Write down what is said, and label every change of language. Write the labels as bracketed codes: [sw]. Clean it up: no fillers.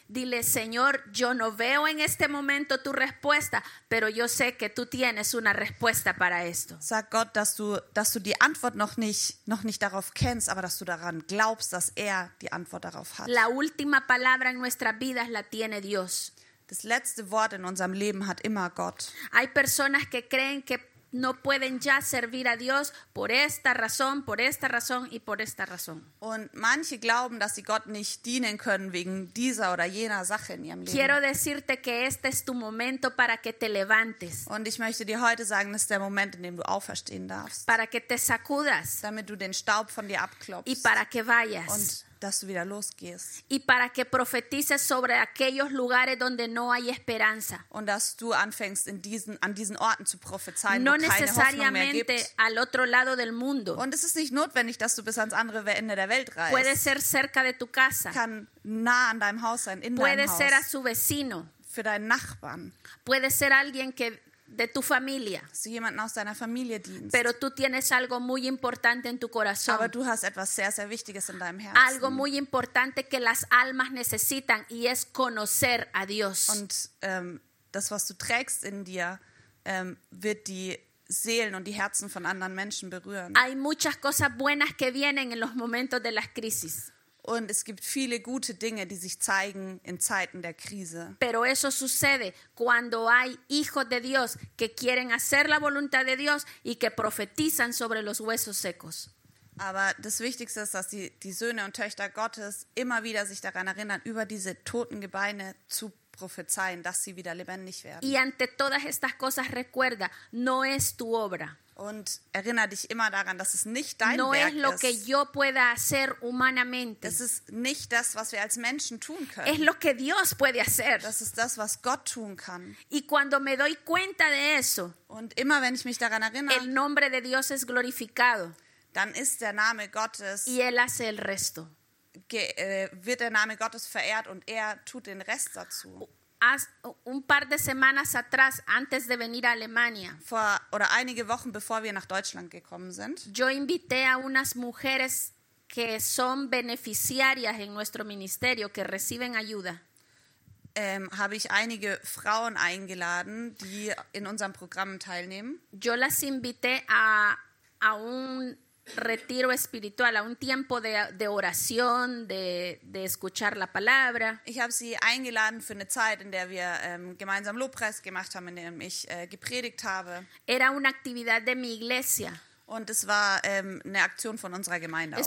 [es] Dile, Señor, yo no veo en este momento tu respuesta, pero yo sé que tú tienes una respuesta para esto. [de] Sag Gott, dass du die Antwort noch nicht darauf kennst, aber dass du daran glaubst, dass er die Antwort darauf hat. [es] La última palabra en nuestras vidas la tiene Dios. [de] Das letzte Wort in unserem Leben hat immer Gott. [es] Hay personas que creen que no pueden ya servir a Dios por esta razón y por esta razón. [de] Und manche glauben, dass sie Gott nicht dienen können wegen dieser oder jener Sache in ihrem Leben. [es] Quiero decirte que este es tu momento para que te levantes. [de] Und ich möchte dir heute sagen, das ist der Moment, in dem du auferstehen darfst. [es] Para que te sacudas. [de] Damit du den Staub von dir abklopfst. [es] Y para que vayas. [de] Und dass du wieder losgehst. [es] Y para que profetices sobre aquellos lugares donde no hay esperanza. [de] Und dass du anfängst an diesen Orten zu prophezeien, wo keine Hoffnung mehr gibt. [es] Al otro lado del mundo. [de] Und es ist nicht notwendig, dass du bis ans andere Ende der Welt reist. [es] Puede ser cerca de tu casa. [de] Kann nah an deinem Haus sein, in [es] Puede [de] deinem [es] ser [de] Haus. [es] Ser a su vecino. [de] Für deinen Nachbarn. [es] Puede ser alguien que de tu familia. [de] Dass du jemanden aus deiner Familie dienst. [es] Pero tú tienes algo muy importante en tu corazón. [de] Aber du hast etwas sehr, sehr Wichtiges in deinem Herzen. [es] Algo muy importante que las almas necesitan y es conocer a Dios. [de] Und das, was du trägst in dir, wird die Seelen und die Herzen von anderen Menschen berühren. [es] Hay muchas cosas buenas que vienen en los momentos de las crisis. [de] Und es gibt viele gute Dinge, die sich zeigen in Zeiten der Krise. [es] Pero eso sucede cuando hay hijos de Dios que quieren hacer la voluntad de Dios y que profetizan sobre los huesos secos. [de] Aber das Wichtigste ist, dass die Söhne und Töchter Gottes immer wieder sich daran erinnern, über diese toten Gebeine zu prophezeien, dass sie wieder lebendig werden. [es] Y ante todas estas cosas recuerda, no es tu obra. [de] Und erinnere dich immer daran, dass es nicht dein [es] no [de] Werk ist. [es] Lo que yo pueda hacer humanamente. [de] Das ist nicht das, was wir als Menschen tun können. [es] Es lo que Dios puede hacer. [de] Das ist das, was Gott tun kann. [es] Y cuando me doy cuenta de eso, [de] und immer wenn ich mich daran erinnere, [es] el nombre de Dios es glorificado. [de] Dann ist der Name Gottes [es] y él hace el resto. [de] Wird der Name Gottes verehrt und er tut den Rest dazu. [es] Un par de semanas atrás, antes de venir a Alemania, [de] oder einige Wochen bevor wir nach Deutschland gekommen sind, [es] yo invité a unas mujeres que son beneficiarias en nuestro ministerio, que reciben ayuda. [de] Habe ich einige Frauen eingeladen, die in unserem Programm teilnehmen. [es] Yo las invité a un retiro espiritual, a un tiempo de oración, de escuchar la palabra. [de] Ich habe sie eingeladen für eine Zeit, in der wir gemeinsam Lobpreis gemacht haben, in der ich gepredigt habe. [es] Era una actividad de mi iglesia. [de] Und es war eine Aktion von unserer Gemeinde aus.